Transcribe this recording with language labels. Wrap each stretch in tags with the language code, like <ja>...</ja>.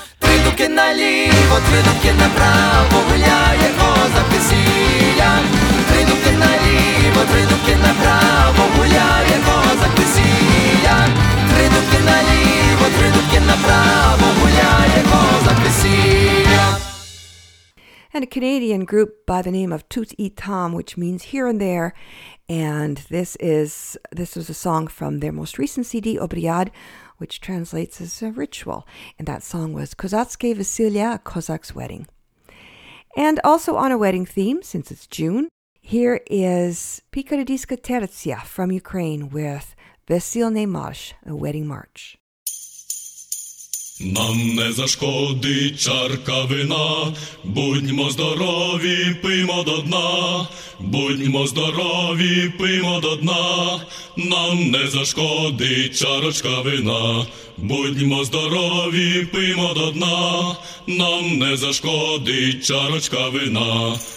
<uk>Три дубки наліво, три дубки направо, гуляє козак весілля. Три дубки наліво, три дубки направо, гуляє козак весілля. Три дубки наліво, три дубки направо, гуляє козак весілля.</uk> <en>And a Canadian group by the name of Toots Eat Tom, which means here and there. And this was a song from their most recent CD, Obriad, which translates as a ritual. And that song was Kozatske Vasilya, a Cossack's wedding. And also on a wedding theme, since it's June, here is Picardiska Tertsia from Ukraine with Vesilne Marsh, a wedding march.</en> <uk>Нам не зашкодить чарка вина, будьмо здорові, пиймо до дна, будьмо здорові, пиймо до дна, нам не зашкодить чарочка вина, будьмо здорові, пиймо до дна, нам не зашкодить чарочка вина.</uk>